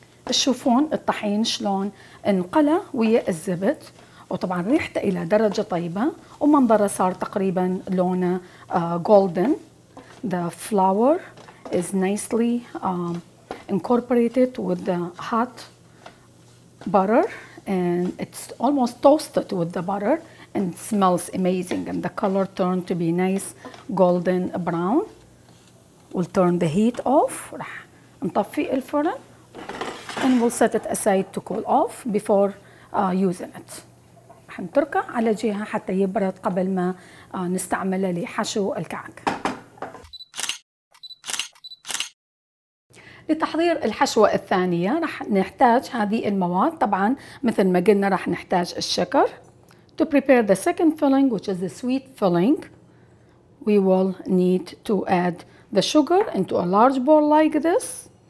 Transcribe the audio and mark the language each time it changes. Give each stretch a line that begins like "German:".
Arabic: تشوفون الطحين شلون انقلى ويا الزبد، وطبعا ريحته الى درجة طيبة، ومنظره صار تقريبا لونه golden.
English: The flour is nicely incorporated with the hot butter and it's almost toasted with the butter and it smells amazing and the color turned to be nice golden brown. We'll turn the heat off.
Arabic: راح نطفي الفرن
English: and we'll set it aside to cool off before using it.
Arabic: راح نتركه على جهة حتى يبرد قبل ما نستعمله لحشو الكعك. لتحضير الحشوة الثانية راح نحتاج هذه المواد. طبعا مثل ما قلنا راح نحتاج الشكر.
English: To prepare the second filling which is the sweet filling we will need to add the sugar into a large bowl like this.